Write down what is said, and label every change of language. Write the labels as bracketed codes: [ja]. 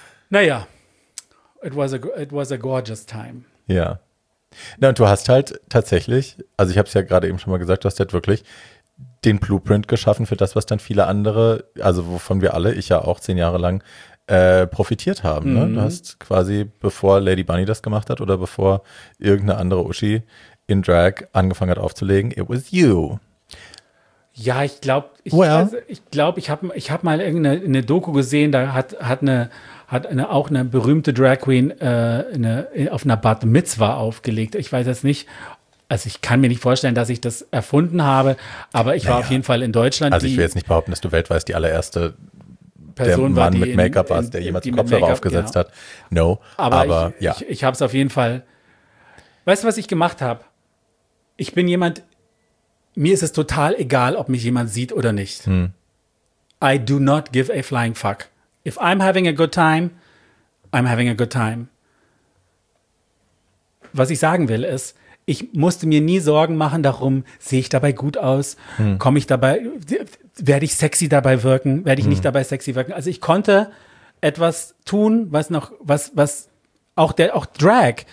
[en] Naja, it was a gorgeous time. [de] Ja. Na, und du hast halt tatsächlich, also ich habe es ja gerade eben schon mal gesagt, du hast halt wirklich den Blueprint geschaffen für das, was dann viele andere, also wovon wir alle, ich ja auch 10 Jahre lang, profitiert haben. Ne? Du hast quasi, bevor Lady Bunny das gemacht hat oder bevor irgendeine andere Uschi in Drag angefangen hat aufzulegen, [en] it was you. [de] Ja, ich glaube, ich habe mal irgendeine Doku gesehen, da hat eine auch eine berühmte Drag Queen auf einer Bat Mitzvah aufgelegt. Ich weiß jetzt nicht, also ich kann mir nicht vorstellen, dass ich das erfunden habe, aber ich war auf jeden Fall in Deutschland. Also ich will jetzt nicht behaupten, dass du weltweit die allererste Person war, die mit Make-up war, der jemals einen Kopfhörer aufgesetzt hat. No, aber ja. Ich habe es auf jeden Fall. Weißt du, was ich gemacht habe? Ich bin jemand, mir ist es total egal, ob mich jemand sieht oder nicht. [en] I do not give a flying fuck. If I'm having a good time, I'm having a good time. [de] Was ich sagen will ist, ich musste mir nie Sorgen machen darum, sehe ich dabei gut aus, komme ich dabei, werde ich sexy dabei wirken, werde ich nicht dabei sexy wirken. Also ich konnte etwas tun, was auch Drag.